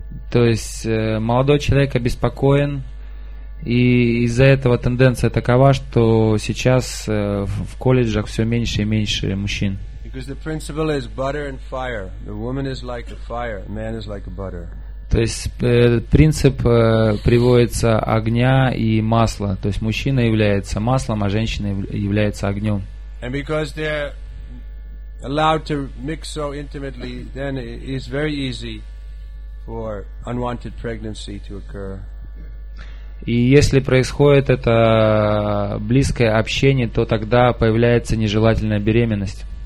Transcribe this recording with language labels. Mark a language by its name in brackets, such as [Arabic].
[Russian] То есть молодой человек обеспокоен. И из-за этого тенденция такова, что сейчас в колледжах все меньше и меньше мужчин. [English] Because the principle is butter and fire. The woman is like a fire, man is like a butter. [Russian] То есть принцип приводится огня и масла. То есть мужчина является маслом, а женщина является огнем. [English] And because they're allowed to mix so intimately, then it's very easy for unwanted pregnancy to occur. [Russian] И если происходит это близкое общение, то тогда появляется нежелательная беременность.